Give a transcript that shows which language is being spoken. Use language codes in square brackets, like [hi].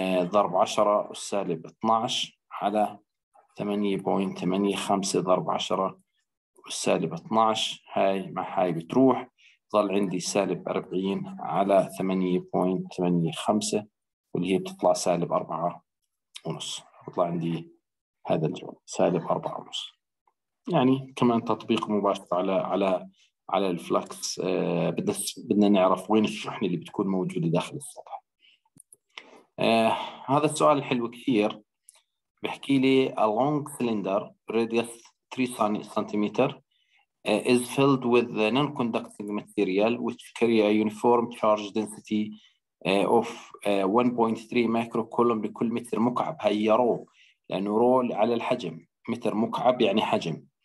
[ar] ضرب 10 سالب 12 على 8.85 ضرب 10 سالب 12، هاي مع هاي بتروح، ظل عندي سالب 40 على 8.85 واللي هي بتطلع سالب 4.5، بطلع عندي هذا الجواب سالب 4.5. يعني كمان تطبيق مباشر على على على الفلكس، بدنا نعرف وين الشحنة اللي بتكون موجودة داخل السطح. هذا السؤال الحلو كثير، بحكي لي [en] a long cylinder radius 3 سنتيمتر is filled with the non-conducting material which carry a uniform charge density of 1.3 micro coulomb [ar] لكل متر مكعب. هاي رو، لأنه رو على الحجم، متر مكعب يعني حجم.